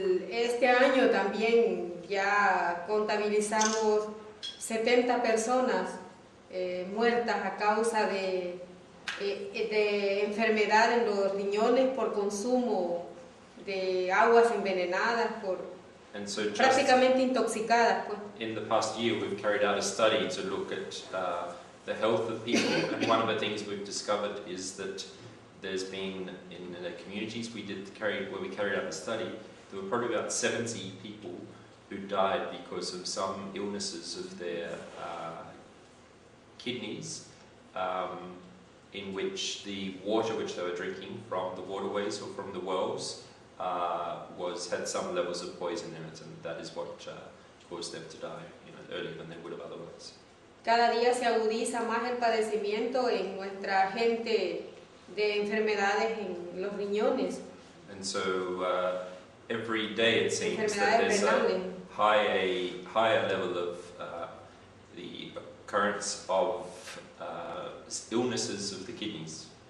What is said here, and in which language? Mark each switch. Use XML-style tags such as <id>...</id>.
<es>Este año también ya contabilizamos 70 personas muertas a causa de enfermedad en los riñones por consumo de aguas envenenadas, por</es> <en>so</en> <es>prácticamente intoxicadas.</es> <en>In the past year we've carried out a study to look at the health of people, and one of the things we've discovered is that there's been in the communities where we carried out the study, there were probably about 70 people who died because of some illnesses of their kidneys, in which the water which they were drinking from the waterways or from the wells had some levels of poison in it, and that is what caused them to die, you know, earlier than they would have otherwise.</en> <es>Cada día se agudiza más el padecimiento en nuestra gente de enfermedades en los riñones.</es> <en>And so every day it seems that there's a higher level of the occurrence of illnesses of the kidneys.</en>